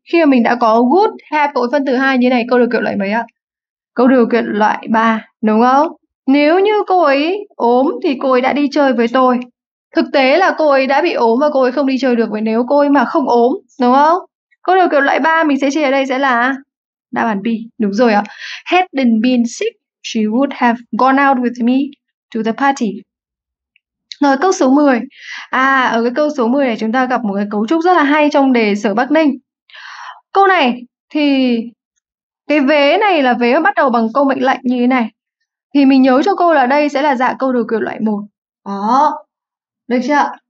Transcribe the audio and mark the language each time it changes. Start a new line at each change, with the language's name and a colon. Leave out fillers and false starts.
Vietnamese: Khi mà mình đã có would have với phân từ hai như này, câu được kiểu loại mấy ạ? Câu được kiểu loại 3, đúng không? Nếu như cô ấy ốm thì cô ấy đã đi chơi với tôi. Thực tế là cô ấy đã bị ốm và cô ấy không đi chơi được, với nếu cô ấy mà không ốm, đúng không? Câu được kiểu loại 3 mình sẽ chia ở đây sẽ là đáp án B. Đúng rồi ạ.
English: Hadn't been sick, she would have gone out with me to the party.
Vietnamese: Rồi câu số 10. À, ở cái câu số 10 này chúng ta gặp một cái cấu trúc rất là hay trong đề sở Bắc Ninh. Câu này thì cái vế này là vế bắt đầu bằng câu mệnh lệnh như thế này. Thì mình nhớ cho cô là đây sẽ là dạng câu được kiểu loại 1. Đó. Được chưa?